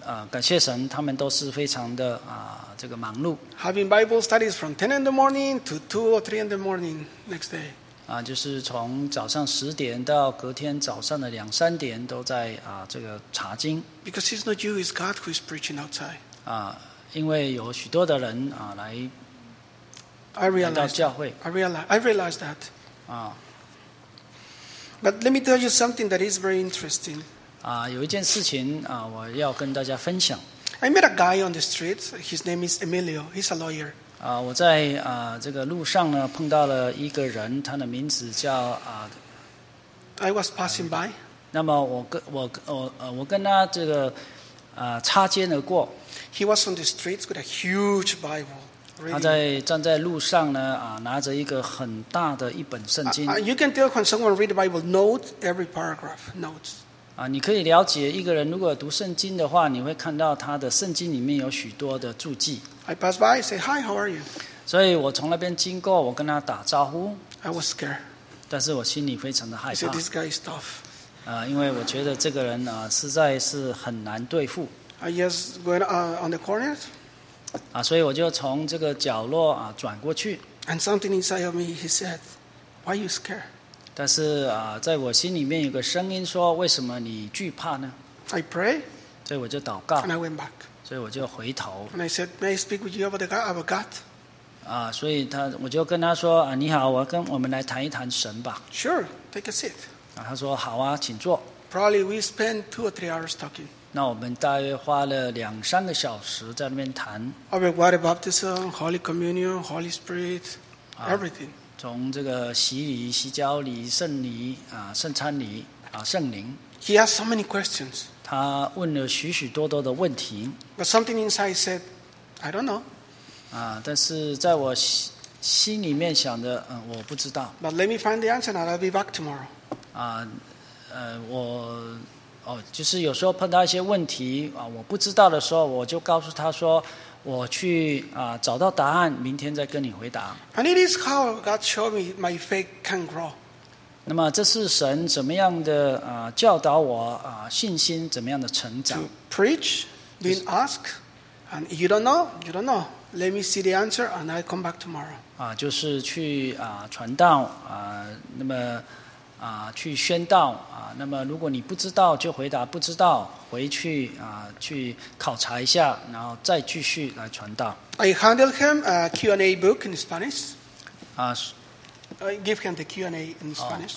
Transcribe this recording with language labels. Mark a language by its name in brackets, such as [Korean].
[Chinese] 感谢神，他们都是非常的这个忙碌。 [English] Having Bible studies from 10 in the morning to 2 or 3 in the morning next day. [Chinese] 就是从早上十点到隔天早上的两三点都在这个查经。 [English] Because he's not you, it's God who is preaching outside. [Chinese] 因为有许多的人来到教会。 [English] I realize that. But let me tell you something that is very interesting. [Chinese] 有一件事情我要跟大家分享。 [English] I met a guy on the street. His name is Emilio. He's a lawyer. [Chinese] 我在这个路上呢碰到了一个人，他的名字叫 [English] I was passing by. [Chinese] 那么我跟他这个擦肩而过。 [English] He was on the streets with a huge Bible. [Chinese] 他在站在路上呢拿着一个很大的一本圣经。 [English] You can tell when someone read the Bible, note every paragraph, notes. [Chinese] 你可以了解一个人如果读圣经的话，你会看到他的圣经里面有许多的注记。 [English] I passed by, say hi, how are you? [Chinese] 所以我从那边经过，我跟他打招呼。 [English] I was scared. [Chinese] 但是我心里非常的害怕。 [English] He said, this guy is tough. [Chinese] 因为我觉得这个人实在是很难对付。 [English] I just went on the corner. [Chinese] 啊，所以我就从这个角落啊转过去。 [English] And something inside of me, he said, "Why are you scared?" [Chinese] 但是啊，在我心里面有个声音说，为什么你惧怕呢 [English] ？I pray. [Chinese] 所以我就祷告。 [English] And I went back. [Chinese] 所以我就回头。 [English] And I said, "May I speak with you about the God, our God?" [Chinese] 啊，所以他我就跟他说啊，你好，我跟我们来谈一谈神吧。 [English] Sure, take a seat. [Chinese] 啊，他说好啊，请坐。 [English] Probably we spent 2 or 3 hours talking. [Chinese] 那我们大约花了2-3 [English] hours [Chinese] 在那边谈。 [English] About water baptism, Holy Communion, Holy Spirit, everything. [Chinese] 从这个洗礼、洗脚礼、圣礼啊、圣餐礼啊、圣灵。 [English] He asked so many questions. [Chinese] 他问了许许多多的问题。 [English] But something inside said, I don't know. [Chinese] 啊，但是在我心里面想的，嗯，我不知道。 [English] But let me find the answer, and I'll be back tomorrow. 啊。 [Chinese] 我哦，就是有时候碰到一些问题啊，我不知道的时候，我就告诉他说，我去啊找到答案，明天再跟你回答。 [English] And it is how God showed me my faith can grow. [Chinese] 那么这是神怎么样的啊教导我啊信心怎么样的成长 [English] ？To preach, then ask, and you don't know, you don't know. Let me see the answer, and I come back tomorrow. [Chinese] 啊，就是去啊传道啊，那么。啊，去宣道啊！那么如果你不知道，就回答不知道，回去啊，去考察一下，然后再继续来传道。 [English] I handed him a Q&A book in Spanish. 啊，I give him the Q&A in Spanish.、